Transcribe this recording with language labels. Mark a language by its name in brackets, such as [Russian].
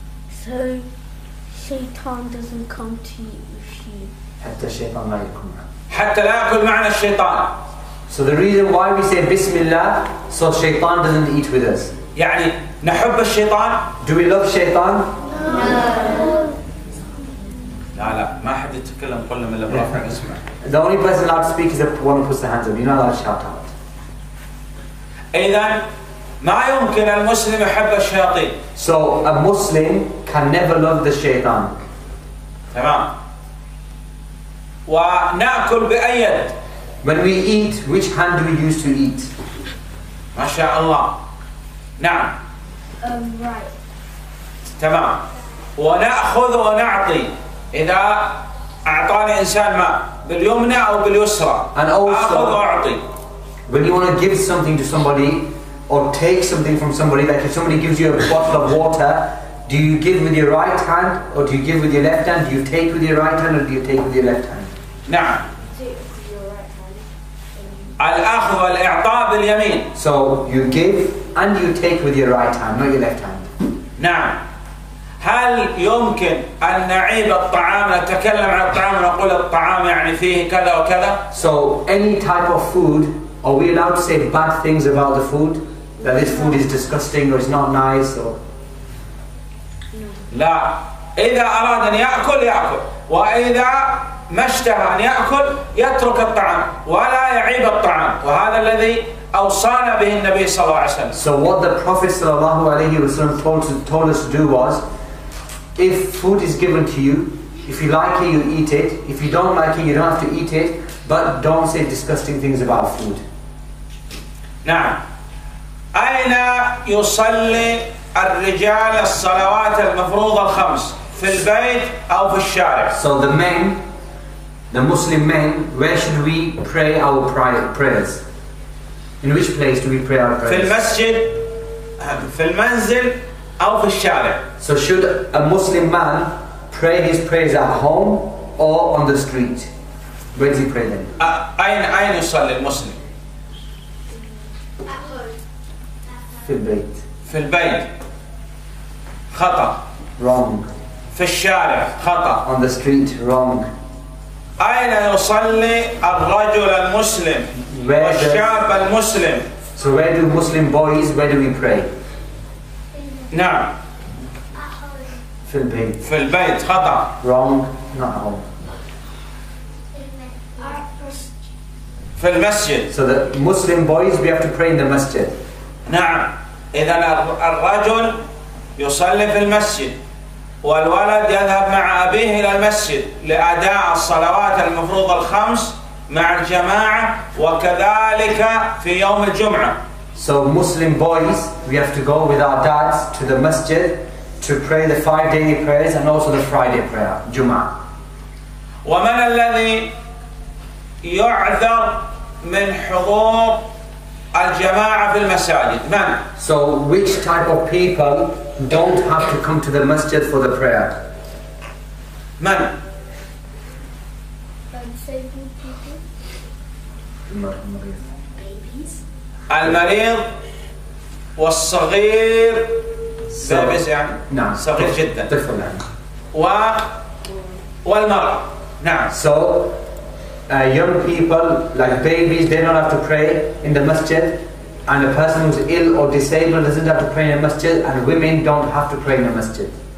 [English] So Shaitan doesn't come to you if you. [Arabic] حتى الشيطان لا يكون. حتى لا يأكل معنا الشيطان. [English] So the reason why we say Bismillah, so Shaitan doesn't eat with us. [Arabic] يعني نحب الشيطان. [English] Do we love Shaitan? [Arabic] لا ما حد يتكلم قلنا من اللي برافع نسمع. [English] The only person allowed to speak is the one who puts the hands up. You're not allowed to shout out. [Arabic] إذن ما يمكن المسلم يحب الشياطين. [English] So a Muslim can never love the shaitan. [Arabic] تمام. ونأكل بأي يد. [English] When we eat, which hand do we use to eat? [Arabic] ما شاء الله. نعم. [English] Right. [Arabic] تمام. ونأخذ ونعطي. إذا أعطاني إنسان ما باليمنى أو باليسرى. [English] And also, [Arabic] أخذ وأعطي. [English] When you want to give something to somebody or take something from somebody, like if somebody gives you a bottle of water, do you give with your right hand or do you give with your left hand? Do you take with your right hand or do you take with your left hand? [Arabic] نعم. الأخذ والإعطاء باليمين. [English] So you give and you take with your right hand, not your left hand. [Arabic] نعم. هل يمكن أن نعيب الطعام نتكلم عن الطعام ونقول الطعام يعني فيه كذا وكذا؟ [English] So any type of food, are we allowed to say bad things about the food? That this food is disgusting or it's not nice or? [Arabic] لا. إذا أراد أن يأكل يأكل وإذا مشتهى أن يأكل يترك الطعام ولا يعيب الطعام وهذا الذي أوصانا به النبي صلى الله عليه وسلم. [English] So what the Prophet [Arabic] صلى الله عليه وسلم [English] told us to do was, if food is given to you, if you like it, you eat it. If you don't like it, you don't have to eat it. But don't say disgusting things about food. [Arabic] نعم. أين يصلي الرجال الصلوات المفروضة الخمس في البيت أو في الشارع؟ [English] So the men, the Muslim men, where should we pray our prayers? In which place do we pray our prayers? [Arabic] في المسجد، في المنزل. [English] So should a Muslim man pray his prayers at home or on the street? Where does he pray then? [Arabic] أين يصلي المسلم؟ في البيت. في البيت. خطأ. [English] Wrong. [Arabic] في الشارع. خطأ. [English] On the street. Wrong. [Arabic] أين يصلي الرجل المسلم؟ والشاب المسلم. [English] So where do Muslim boys, where do we pray? [Arabic] نعم. في البيت. في البيت خطأ. [English] Wrong. Not home. [Arabic] في المسجد. [English] So the Muslim boys, we have to pray in the masjid. [Arabic] نعم. إذا الرجل يصلي في المسجد والولد يذهب مع أبيه إلى المسجد لأداء الصلوات المفروضة الخمس مع الجماعة وكذلك في يوم الجمعة. [English] So Muslim boys, we have to go with our dads to the masjid to pray the five daily prayers and also the Friday prayer, Jum'ah. [Arabic] ومن الذي يعذر من حضور الجماعة في المساجد؟ من؟ [English] So which type of people don't have to come to the masjid for the prayer? [Arabic] من? [English] Unsaved people. [Arabic] المريض والصغير بابس يعني نعم. صغير جدا طفل يعني والمرأة نعم. [English] So young people like babies, they don't have to pray in the masjid, and a person who's ill or disabled doesn't have to pray in a masjid, and women don't have to pray in a masjid.